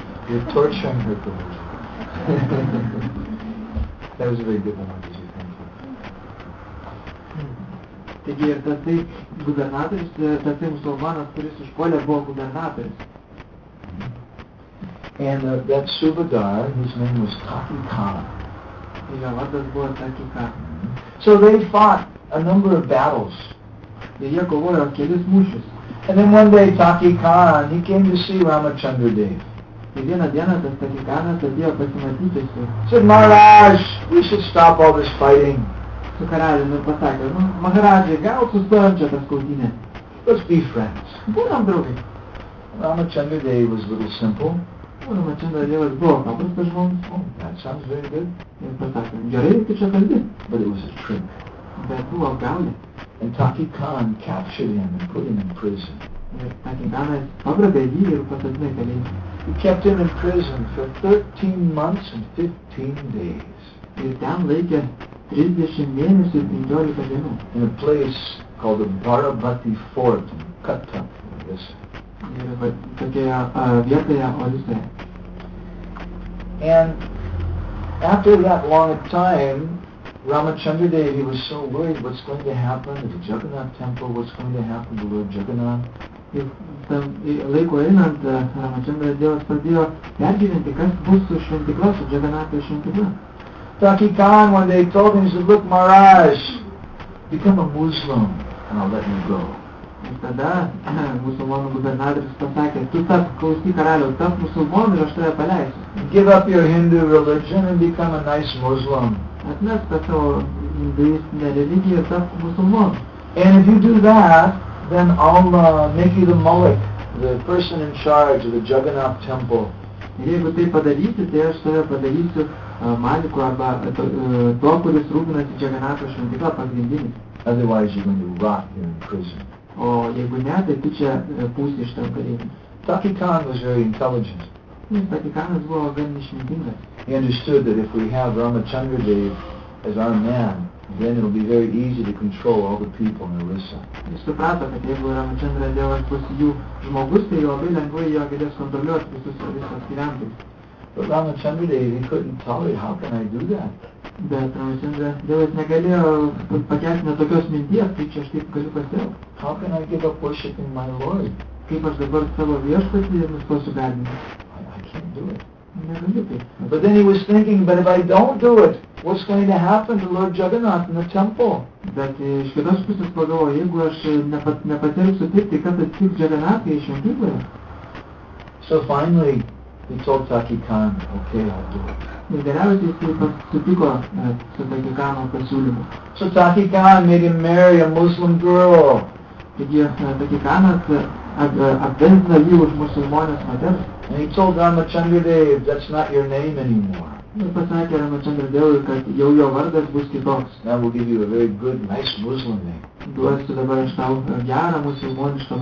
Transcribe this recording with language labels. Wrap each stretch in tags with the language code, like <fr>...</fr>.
<en>You're torturing her for me. That was a very good one, did you think?</en> <lt>Taigi ir tasai gubernatorius, tasai musulmanas, kuris užpuolė, buvo gubernatorius.</lt> <en>And that subadar, his name was Taki Khan.</en> <lt>Jo vardas buvo Taki Khan.</lt> <en>So they fought a number of battles.</en> <lt>Jie kovojo kelis mūšius.</lt> <en>And then one day Taki Khan, he came to see Ramachandra Dev.</en> <lt>Ir vieną dieną tas Taki Khanas atėjo pasimatyti su...</lt> <en>Said, Maharaj, we should stop all this fighting.</en> <lt>Su karaliumi pasakė, nu, Maharaja, gal sustojom čia tas kautynė.</lt> <en>Let's be friends.</en> <lt>Būnam draugai.</lt> <en>Ramachandra Dev was a little simple.</en> <lt>Ramachandra Devas buvo paprastas žmogus.</lt> <en>Oh, that sounds very good.</en> <lt>Ir pasakė, gerai, tu čia kalbi.</lt> <en>But it was a trick.</en> <lt>Bet buvo apgaulė.</lt> <en>And Taki Khan captured him and put him in prison.</en> <lt>Ir Taki Khanas pagrobė jį ir pasodino į kalėjimą.</lt> <en>He kept him in prison for 13 months and 15 days.</en> <lt>Ir ten laikė 30 mėnesių ir 15 dienų.</lt> <en>In a place called the Bharabati Fort in Cuttack, I guess.</en> <lt>Ir tokioje vietoje Orisoje.</lt> <en>And after that long time, Ramachandra Dev, he was so worried what's going to happen at the Jagannath temple, what's going to happen to Lord Jagannath.</en> <lt>Laiko einant, Ramachandra Devas pradėjo pergyventi, kas bus su šventykla, su Jagannatha šventykla.</lt> <en>Taki Khan, when they told him, he said, look, Maharaj, become a Muslim and I'll let you go.</en> <lt>Ir tada musulmonų gubernatorius pasakė, tu tap, klausyk karaliau, tap musulmonų ir aš tave paleisiu.</lt> <en>Give up your Hindu religion and become a nice Muslim.</en> <lt>Atmesk tą savo hinduistinę religiją ir tap musulmonų.</lt> <en>And if you do that, then I'll make you the mullik, the person in charge of the Jagannath temple.</en> <lt>Ir jeigu tai padarysi, tai aš tave padarysiu maliku arba to, kuris rūpinasi Jagannatha šventykla pagrindinį.</lt> <en>Otherwise you're going to rot here in prison.</en> <lt>O jeigu ne, tai tu čia pūsi iš tam kalėjimą.</lt> <en>Taki Khan was very intelligent.</en> <lt>Taki Khanas buvo gan išmintingas.</lt> <en>He understood that if we have Ramachandra Dev as our man, then it'll be very easy to control all the people in Orissa.</en> <lt>Jis suprato, kad jeigu Ramachandra Devas bus jų žmogus, tai labai lengvai jo galės kontroliuoti visus Orissos gyventojus.</lt> <en>But Ramachandra Dev, he couldn't tolerate, how can I do that?</en> <lt>Bet Ramachandra Devas negalėjo pakelti net tokios minties, kaip čia aš taip galiu pasielgti.</lt> <en>How can I give up worshiping my Lord?</en> <lt>Kaip aš dabar savo viešpatį nustosiu garbinti?</lt> <en>I can't do it.</en> <lt>Negaliu taip.</lt> <en>But then he was thinking, but if I don't do it, what's going to happen to Lord Jagannath in the temple?</en> <lt>Bet iš kitos pusės pagalvo, jeigu aš nepatirsiu taip, tai kad atsitiks Jagannath į šventykloje?</lt> <en>So finally, he told Taki Khan, okay, I'll do it.</en> <lt>Ir geriausiai jis taip pat sutiko su Taki Khano pasiūlymu.</lt> <en>So Taki Khan made him marry a Muslim girl.</en> <lt>Taigi Taki Khanas apvesdino jį už musulmonės moters.</lt> <en>And he told Ramachandra Dev, that's not your name anymore.</en> <lt>Ir pasakė Ramachandra Devui, kad jau jo vardas bus kitoks.</lt> <en>That will give you a very good, nice Muslim name.</en> <lt>Duosiu dabar aš tau gerą musulmonišką</lt>